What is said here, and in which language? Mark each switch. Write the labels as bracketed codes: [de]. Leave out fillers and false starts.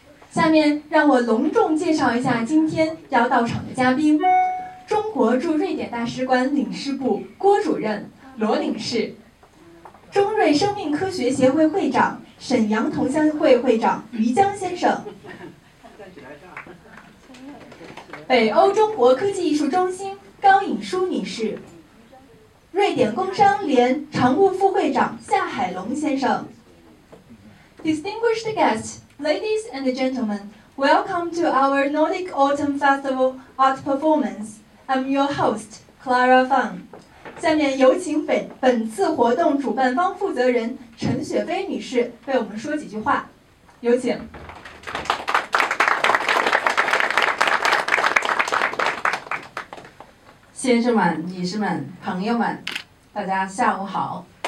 [zh] 下面让我隆重介绍一下今天要到场的嘉宾，中国驻瑞典大使馆领事部郭主任罗领事，中瑞生命科学协会会长、沈阳同乡会会长于江先生，北欧中国科技艺术中心高颖舒女士，瑞典工商联常务副会长夏海龙先生。 [en] Distinguished guests, ladies and gentlemen, welcome to our Nordic Autumn Festival art performance. I'm your host, Clara Fang. [zh] 下面有请 本次活动主办方负责人陈雪飞女士为我们说几句话，有请。先生们、女士们、朋友们，大家下午好。